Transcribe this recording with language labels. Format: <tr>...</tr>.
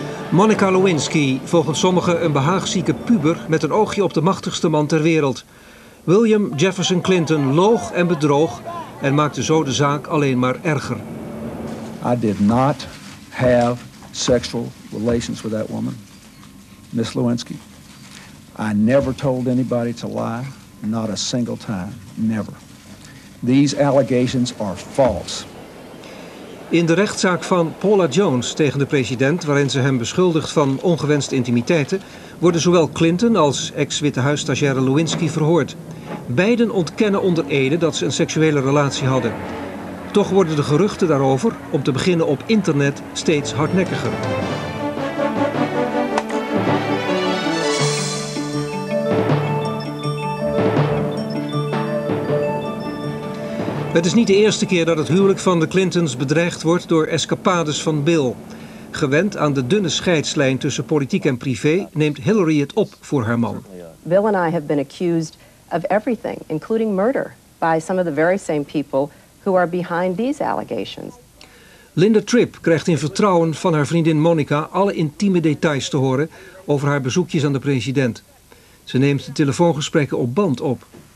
<nl>Monica Lewinsky, volgens sommigen een behaagzieke puber met een oogje op de machtigste man ter wereld. William Jefferson Clinton loog en bedroog en maakte zo de zaak alleen maar erger.</nl> <en>I did not have sexual relations with that woman, Miss Lewinsky. I never told anybody to lie, not a single time, never. These allegations are false.</en> <nl>In de rechtszaak van Paula Jones tegen de president, waarin ze hem beschuldigt van ongewenste intimiteiten, worden zowel Clinton als ex-Witte Huisstagiaire Lewinsky verhoord. Beiden ontkennen onder ede dat ze een seksuele relatie hadden. Toch worden de geruchten daarover, om te beginnen op internet, steeds hardnekkiger. Het is niet de eerste keer dat het huwelijk van de Clintons bedreigd wordt door escapades van Bill. Gewend aan de dunne scheidslijn tussen politiek en privé, neemt Hillary het op voor haar man.</nl> <en>Bill and I have been accused of everything, including murder, by some of the very same people who are behind these allegations.</en> <nl>Linda Tripp krijgt in vertrouwen van haar vriendin Monica alle intieme details te horen over haar bezoekjes aan de president. Ze neemt de telefoongesprekken op band op.</nl>